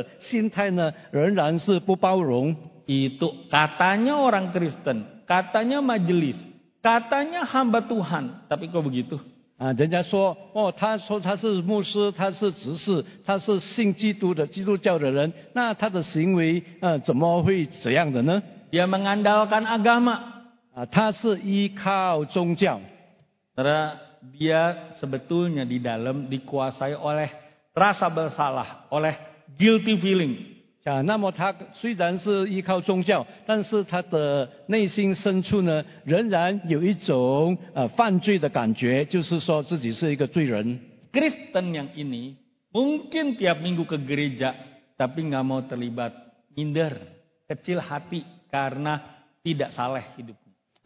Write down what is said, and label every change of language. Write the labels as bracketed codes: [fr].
[zh] 但是他的生活的这个心态呢，仍然是不包容. [id] Itu katanya orang Kristen, katanya majelis. Katanya hamba Tuhan, tapi kok begitu? [zh] Ah, 人家说, oh, 他说他是牧师, 他是执事, 他是信基督的, 基督教的人, 那他的行为, 怎么会这样的呢? [id] Dia mengandalkan agama. [zh] Ah, 他是依靠宗教. [id] Dia sebetulnya di dalam dikuasai oleh rasa bersalah, oleh [en] guilty feeling. [zh] 那么他虽然是依靠宗教，但是他的内心深处呢，仍然有一种犯罪的感觉，就是说自己是一个罪人。 [id] Kristen yang ini mungkin tiap minggu ke gereja, tapi nggak mau terlibat, minder, kecil hati karena tidak saleh hidupnya.